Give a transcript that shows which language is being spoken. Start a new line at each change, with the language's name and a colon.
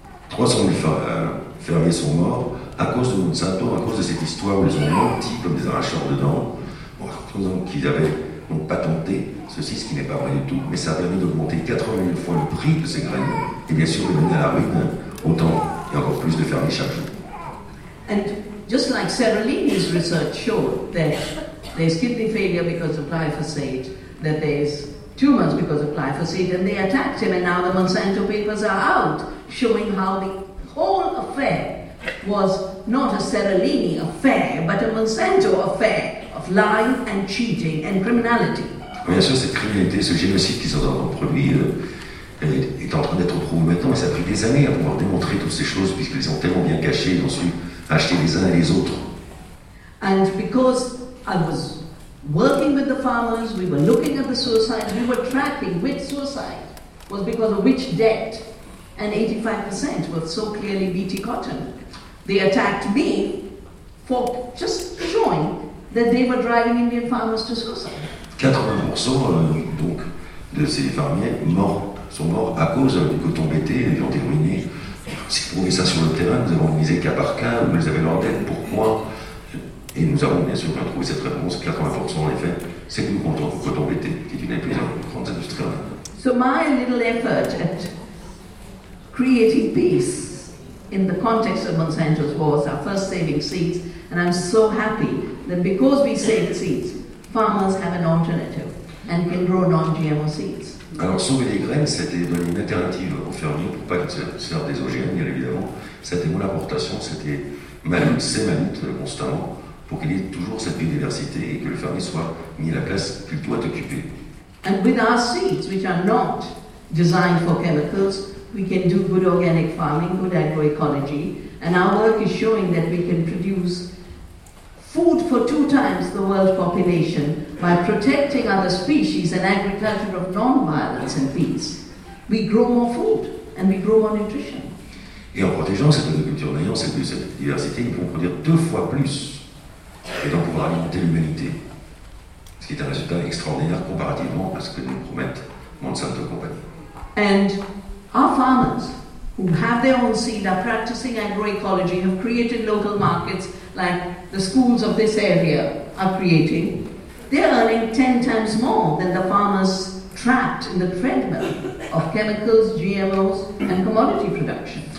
French: 300 000 fermiers sont morts à cause de Monsanto, à cause de cette histoire où ils ont menti comme des arracheurs de dents, croyant qu'ils avaient donc patenté ceci, ce qui n'est pas vrai du tout, mais ça a permis d'augmenter 80 000 fois le prix de ces graines et bien sûr de mener à la ruine autant et encore plus de fermiers chaque jour.
English: And just like Severini's research showed that there's kidney failure because of glyphosate, that there's tumors because of glyphosate, and they attacked him, and now the Monsanto papers are out showing how the whole affair was not a Severini affair, but a Monsanto affair of lying and cheating and criminality.
French: Bien sûr, cette criminalité, ce génocide qu'ils ont produit est en train d'être prouvé maintenant, et ça a pris des années à pouvoir démontrer toutes ces choses, puisqu'ils ont tellement bien caché, ils ont su acheter les uns et les autres.
English: And because I was working with the farmers, we were looking at the suicide, we were tracking which suicide was because of which debt, and 85% was so clearly BT cotton. They attacked me for just showing that they were driving Indian farmers to suicide.
French: 80% donc de ces fermiers sont morts à cause du coton BT et ils ont terminé. C'est prouvé ça sur le terrain, nous avons visé cas par cas, où ils avaient leur dette, pourquoi. Et nous avons bien sûr trouvé cette réponse, 80% en effet, c'est que nous comptons au coton BT, qui est une des plus grandes industries.
English: So my little effort at creating peace in the context of Monsanto's wars are first saving seeds, and I'm so happy that because we saved seeds, farmers have an alternative and can grow non-GMO seeds.
French: Alors sauver les graines, c'était une alternative aux fermiers pour ne pas qu'ils se servent des OGM, bien évidemment. C'était mon importation, c'était ma lutte, c'est ma lutte constamment pour qu'il y ait toujours cette biodiversité et que le fermier soit mis à la place qu'il doit occuper.
English: And with our seeds, which are not designed for chemicals, we can do good organic farming, good agroecology, and our work is showing that we can produce food for 2 times the world population by protecting other species and agriculture of non-violence and peace. We grow more food and we grow more nutrition.
French: Et en protégeant cette agriculture, en ayant cette diversité, nous pouvons produire 2 fois plus et donc pouvoir alimenter l'humanité. Ce qui est un résultat extraordinaire comparativement à ce que nous promettent Monsanto Company.
English: And our farmers who have their own seed are practicing agroecology, have created local markets like the schools of this area are creating. They are earning 10 times more than the farmers trapped in the treadmill of chemicals, GMOs and commodity production.